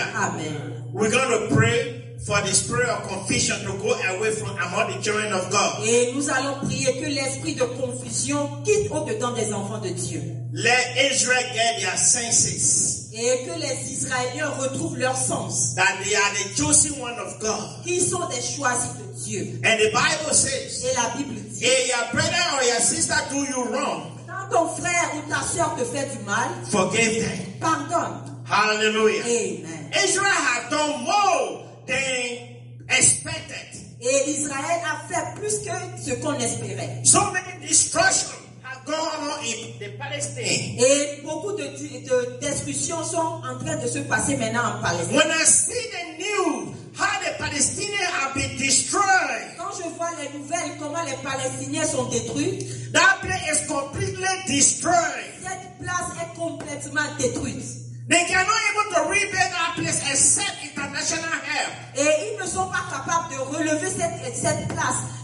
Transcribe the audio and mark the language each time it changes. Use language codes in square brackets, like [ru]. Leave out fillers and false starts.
[en] for the spirit of confusion to go away from among the children of God. [fr] Et nous allons prier que l'esprit de confusion quitte au-dedans des enfants de Dieu. [en] Let Israel get their senses. [fr] Et que les Israéliens retrouvent leur sens. [en] That they are the chosen one of God. [fr] Qu'ils sont des choisis de Dieu. [en] And the Bible says. [fr] Et la Bible dit. [en] If your brother or your sister do you wrong. [fr] Quand ton frère ou ta sœur te fait du mal. [en] Forgive them. [fr] Pardonne. Hallelujah. Amen. [en] Israel has done more than expected. [fr] Et Israël a fait plus que ce qu'on espérait. [en] So many destructions. [fr] Et beaucoup de destructions sont en train de se passer maintenant en Palestine. [en] When I see the news, how the Palestinians have been destroyed. [fr] Quand je vois les nouvelles, comment les Palestiniens sont détruits. [en] That place is completely destroyed. [fr] Cette place est complètement détruite. [en] They cannot even to rebuild that place except international help. [fr] Et ils ne sont pas capables de relever cette place.